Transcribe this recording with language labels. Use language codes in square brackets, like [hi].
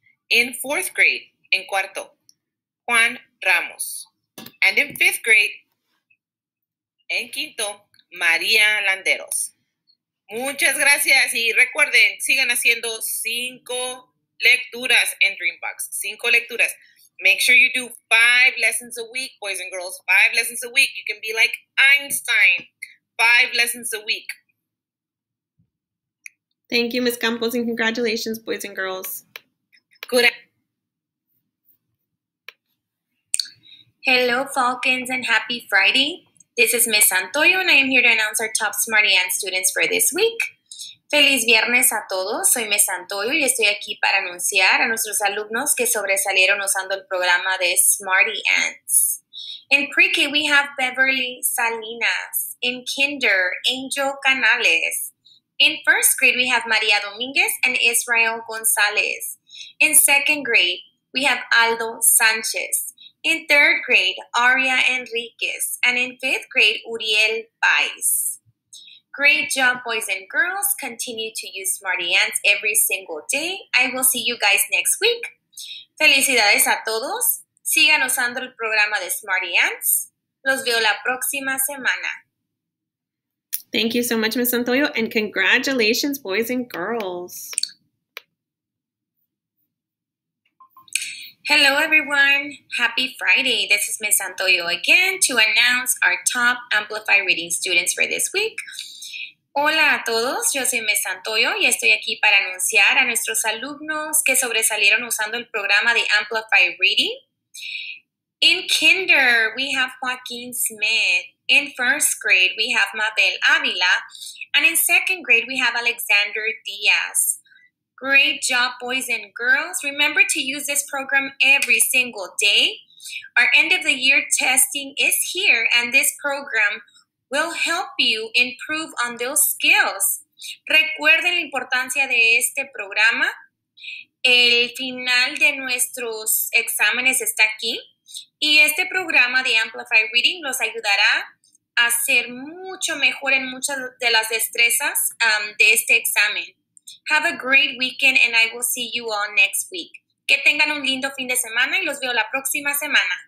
[en] In fourth grade, [es] en cuarto, [en] Juan Ramos. And in fifth grade, [es] en quinto, [en] María Landeros. [es] Muchas gracias y recuerden, sigan haciendo 5 lecturas en Dreambox. 5 lecturas. [en] Make sure you do 5 lessons a week, boys and girls. 5 lessons a week. You can be like Einstein. 5 lessons a week. Thank you, Ms. Campos, and congratulations, boys and girls. Good. Hello, Falcons, and happy Friday. This is Ms. Santoyo, and I am here to announce our top Smarty Ann students for this week. [es] Feliz viernes a todos. Soy Ms. Santoyo, y estoy aquí para anunciar a nuestros alumnos que sobresalieron usando el programa de Smarty Ants. [en] In pre-K, we have Beverly Salinas. In kinder, Angel Canales. In first grade, we have Maria Dominguez and Israel Gonzalez. In second grade, we have Aldo Sanchez. In third grade, Aria Enriquez. And in fifth grade, Uriel Paez. Great job, boys and girls. Continue to use Smarty Ants every single day. I will see you guys next week. [es] Felicidades a todos. Sigan usando el programa de Smarty Ants. Los veo la próxima semana. [en] Thank you so much, Ms. Santoyo, and congratulations, boys and girls. Hello, everyone. Happy Friday. This is Ms. Santoyo again to announce our top Amplify Reading students for this week. [es] Hola a todos, yo soy Ms. Santoyo y estoy aquí para anunciar a nuestros alumnos que sobresalieron usando el programa de Amplify Reading. [en] In kinder, we have Joaquin Smith. In first grade, we have Mabel Avila. And in second grade, we have Alexander Diaz. Great job, boys and girls. Remember to use this program every single day. Our end of the year testing is here, and this program will help you improve on those skills. [es] Recuerden la importancia de este programa. El final de nuestros exámenes está aquí. Y este programa de Amplify Reading los ayudará a ser mucho mejor en muchas de las destrezas de este examen. [en] Have a great weekend and I will see you all next week. [es] Que tengan un lindo fin de semana y los veo la próxima semana.